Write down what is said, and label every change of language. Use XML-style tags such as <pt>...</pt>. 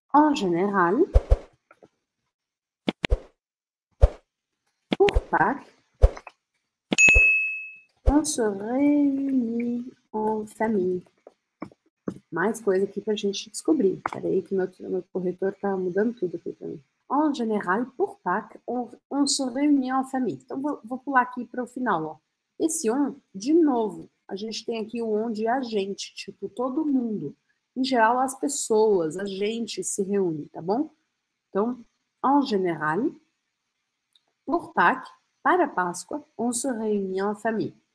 <fr>En général, pour Pâques, on se réunit en famille.</fr> <pt>Mais coisa aqui para a gente descobrir. Peraí, que meu corretor está mudando tudo aqui também.</pt> <fr>En général, pour Pâques, on se réunit en famille.</fr> <pt>Então, vou pular aqui para o final, ó. Esse on, de novo, a gente tem aqui o on de a gente, tipo, todo mundo. Em geral, as pessoas, a gente se reúne, tá bom?</pt> <fr>Então, en général, pour Pâques,</fr> <pt>para Páscoa,</pt> <fr>on se réunit en famille.</fr>